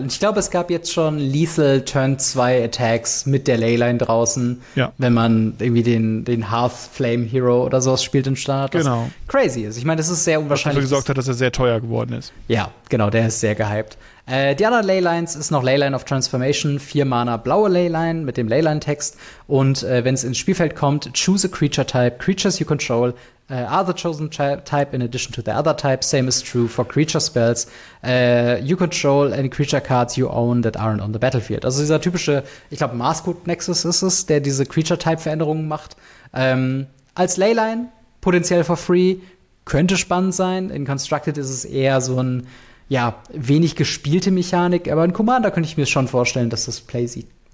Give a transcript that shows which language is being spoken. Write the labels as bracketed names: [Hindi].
[German] Und ich glaube, es gab jetzt schon Lethal Turn 2 Attacks mit der Leyline draußen, wenn man irgendwie den Hearthflame Hero oder sowas spielt im Standard. Genau. Was crazy ist. Ich meine, das ist sehr unwahrscheinlich. Was dafür gesorgt hat, dass er sehr teuer geworden ist. Ja, genau, der ist sehr gehypt. Die anderen Leylines ist noch Leyline of Transformation, 4 Mana blaue Leyline mit dem Leyline-Text. Und wenn es ins Spielfeld kommt, [English] choose a creature type. Creatures you control are the chosen type in addition to the other type. Same is true for creature spells. You control any creature cards you own that aren't on the battlefield. [German] Also dieser typische, ich glaube, Maskot Nexus ist es, der diese Creature-Type-Veränderungen macht. Als Leyline, potenziell [English] for free, [German] könnte spannend sein. In Constructed ist es eher so ein wenig gespielte Mechanik, aber ein Commander könnte ich mir schon vorstellen, dass das Play sieht.